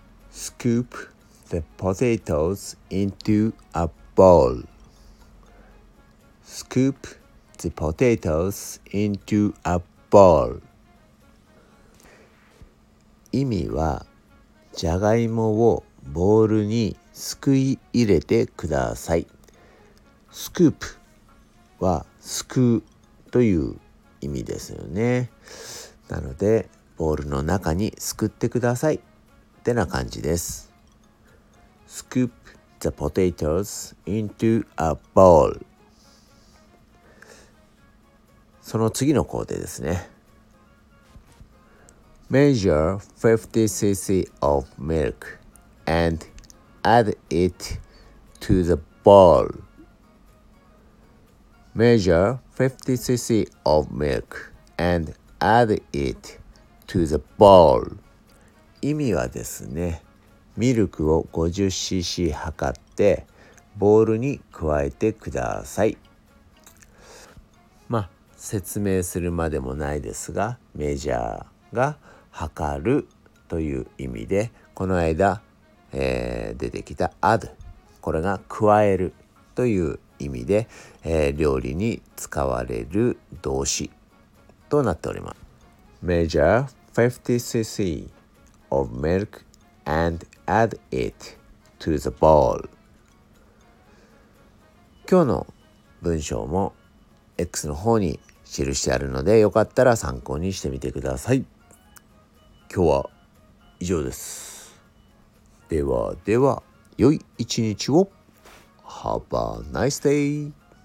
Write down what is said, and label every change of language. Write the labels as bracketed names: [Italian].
[English] Scoop the potatoes into a bowl. Scoop the potatoes into a bowl. [Japanese] 意味はじゃがいもをボウルにすくい入れてください。スクープはすくうという意味ですよね。なのでボウルの中にすくってくださいってな感じです。スクープ [English] the potatoes into a bowl。 [Japanese] その次の工程ですね、 [English] Measure 50cc of milk andAdd it to the bowl. Measure 50cc of milk and add it to the bowl. [Japanese] 意味はですね、ミルクを 50cc 測ってボウルに加えてください。まあ説明するまでもないですが、メジャーが測るという意味で、この間出てきた add、 これが加えるという意味で、料理に使われる動詞となっております。 [English] Measure 50cc of milk and add it to the bowl。 [Japanese] 今日の文章も X の方に記してあるので、よかったら参考にしてみてください。今日は以上です。ではでは、良い一日を。 [English] Have a nice day!